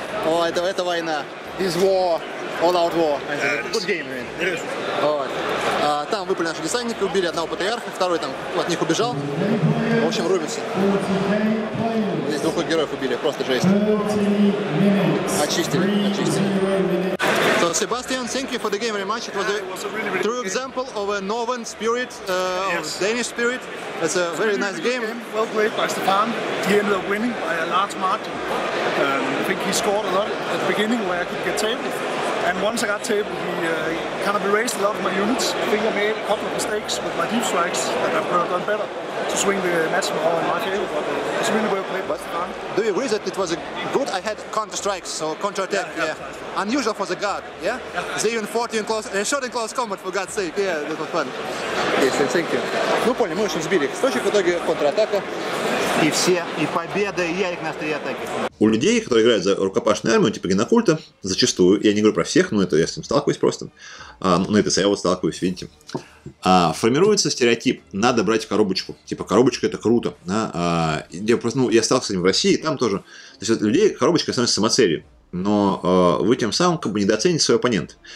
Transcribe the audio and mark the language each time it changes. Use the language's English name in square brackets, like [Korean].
[Russian] О, это война. [English] This war. All out war. Good game, man. [Russian] Вот. А, там выпали наши десантники, убили одного патриарха, второй там от них убежал. В общем, рубится. Здесь двух героев убили, просто жесть. Очистили. [English] So, Sebastian, thank you for the game very much. It was a really true example of a Northern spirit, yes. Danish spirit. It's a very really nice game. Well played by Stefan. He ended up winning by a large margin. I think he scored a lot at the beginning where I could get tabled. And once I got tabled, he kind of erased a lot of my units. I think I made a couple of mistakes with my deep strikes that I could have done better to swing the match more in my favor. But it's really well played by Stefan. Do you agree that it was a good? I had counter strikes, so counter attack, yeah. Unusual for the guard, yeah? They even fought in close, shot in close combat, for God's sake. Yeah, that was fun. Yes, thank you. [Russian] Ну, поняли, мы очень сбили их. Источник, в итоге, контратака. И все, и победа, и Ярик на стрие атаки. У людей, которые играют за рукопашную армию, типа Генокульта, зачастую, я не говорю про всех, но это я с ним сталкиваюсь просто, но это я вот сталкиваюсь, видите, формируется стереотип, надо брать коробочку, типа коробочка это круто, да, я просто, ну, я сталкивался с ним в России, там тоже, то есть у людей коробочка становится самоцелью, но вы тем самым как бы недооцените свой оппонент.